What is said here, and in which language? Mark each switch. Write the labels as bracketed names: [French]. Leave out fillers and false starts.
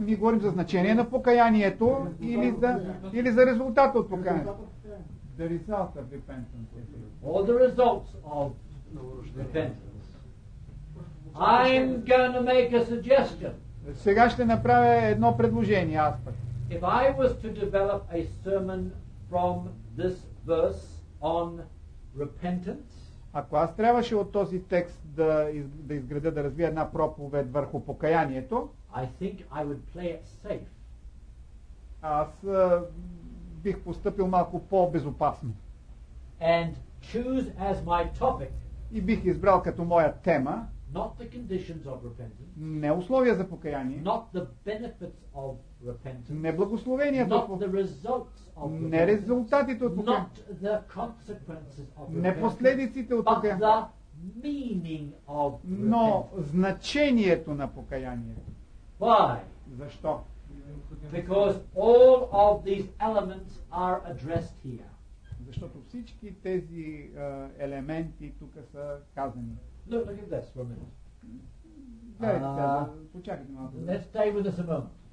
[Bulgarian] Ние говорим за значение на покаянието или за резултата от покаянието. [English] The result of repentance. Or the results of repentance. I'm going to make a suggestion. [Bulgarian] Сега ще направя едно предложение, аз пък. [English] If I was to develop a sermon from this verse on repentance, [Bulgarian] ако аз трябваше от този текст да изградя, да развия една проповед върху покаянието, [English] I think I would play it safe. [Bulgarian] Аз бих постъпил малко по-безопасно. [English] And choose as my topic. [Bulgarian] И бих избрал като моя тема [English] not the conditions of repentance, [Bulgarian] не условия за покаяние, [English] not the benefits of repentance, [Bulgarian] не благословението, [English] not the results of repentance, [Bulgarian] не резултатите от покаяние, [English] not the consequences of repentance, [Bulgarian] не последиците от покаяние, [English] but the meaning of repentance, [Bulgarian] но значението на покаянието. [English] Why? [Bulgarian] Защо? [English] Because all of these elements are addressed here. [Bulgarian] Защото всички тези елементи тук са казани. [English] Look at this for a minute. Let's stay with us a moment.